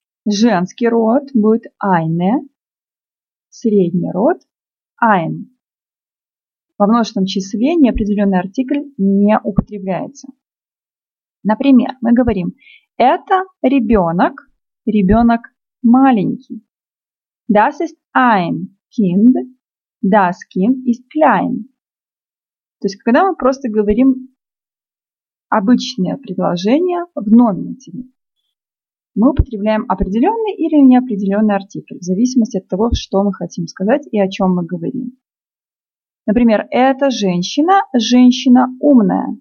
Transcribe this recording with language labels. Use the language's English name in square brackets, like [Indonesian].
[Russian] Женский род будет eine, средний род ein. Во множественном числе неопределенный артикль не употребляется. Например, мы говорим: это ребенок, ребенок маленький. [German] Das ist ein Kind, das Kind ist klein. [Russian] То есть, когда мы просто говорим обычное предложение в номинативе, мы употребляем определенный или неопределенный артикль, в зависимости от того, что мы хотим сказать и о чем мы говорим. Например, эта женщина, женщина умная.